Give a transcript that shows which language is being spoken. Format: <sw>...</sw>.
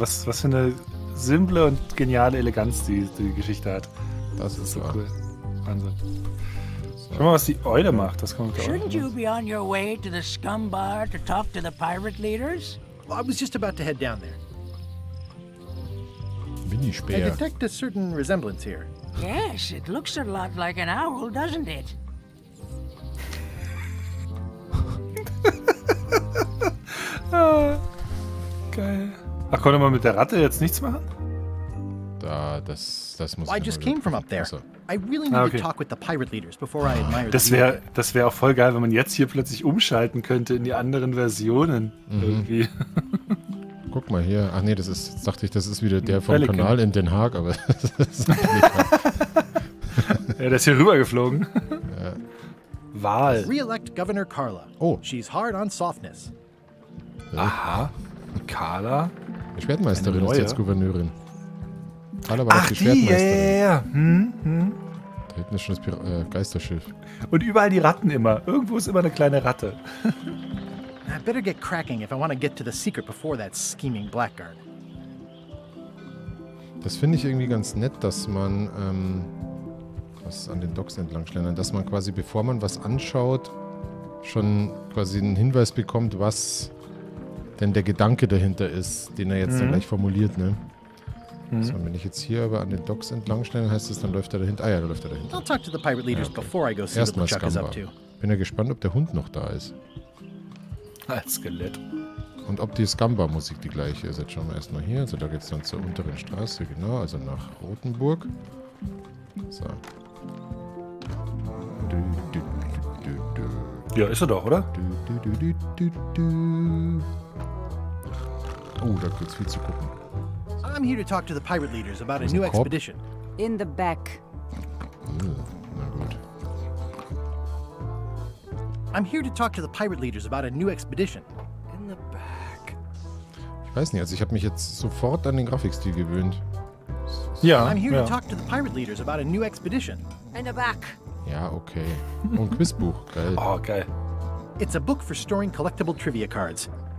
<de>Was für eine simple und geniale Eleganz die Geschichte hat. Das ist so cool. Wahnsinn. Schau mal, was die Eule macht. Das kommt auch.</de> <en>Shouldn't you be on your way to the scum bar to talk to the pirate leaders? Well, I was just about to head down there. Minispeer. I detect a certain resemblance here. Yes, it looks a lot like an owl, doesn't it?</en> <de>Geil. Ach, konnte man mit der Ratte jetzt nichts machen? Das muss.</de> <en>Well, I just came from up there. So. I really need to talk with the pirate leaders before I admire.</en> <de>Das wär auch voll geil, wenn man jetzt hier plötzlich umschalten könnte in die anderen Versionen irgendwie. Guck mal hier. Ach nee, das ist wieder der vom Pelican. Kanal in Den Haag, aber ja, der ist hier rübergeflogen. Ja. Wahl.</de> <en>Re-elect Governor Carla. Oh. She's hard on softness.</en> <de>Aha. Carla. Schwertmeisterin ist jetzt Gouverneurin. Alle aber ach, die Schwertmeisterin. Ja, ja, ja. Da hinten ist schon das Geisterschiff. Und überall die Ratten immer. Irgendwo ist immer eine kleine Ratte.</de> <en>I better get cracking if I want to get to the secret before that scheming blackguard.</en> <de>Das finde ich irgendwie ganz nett, dass man was an den Docks entlang schlendern, dass man quasi, bevor man was anschaut, schon quasi einen Hinweis bekommt, was denn der Gedanke dahinter ist, den er jetzt dann gleich formuliert, ne? Mhm. So, wenn ich jetzt hier aber an den Docks entlang schlendern, heißt das, dann läuft er dahinter. Ah ja, da läuft er dahinter.</de> <en>I'll talk to the pirate leaders before I go see what the Chuck is up to.</en> <de>Bin ja gespannt, ob der Hund noch da ist. Als Skelett. Und ob die Scamba-Musik die gleiche ist. Jetzt schauen wir erstmal hier. Also da geht es dann zur unteren Straße, genau, also nach Rotenburg. So. Du, du, du, du, du. Ja, ist er doch, oder? Du, du, du, du, du, du. Oh, da gibt's viel zu gucken.</de> <en>I'm here to talk to the pirate leaders about a new expedition. In the back.</en> <de>Na gut.</de> <en>I'm here to talk to the pirate leaders about a new expedition. In the back.</en> <de>Ich weiß nicht, also ich habe mich jetzt sofort an den Grafikstil gewöhnt. Ja,</de> <en>I'm here</en> <de>ja.</de> <en>to talk to the pirate leaders about a new expedition. In the back.</en> <de>Ja, okay. Oh, ein Quizbuch, geil. Oh, geil.</de> <en>It's a book for storing collectible trivia cards.</en>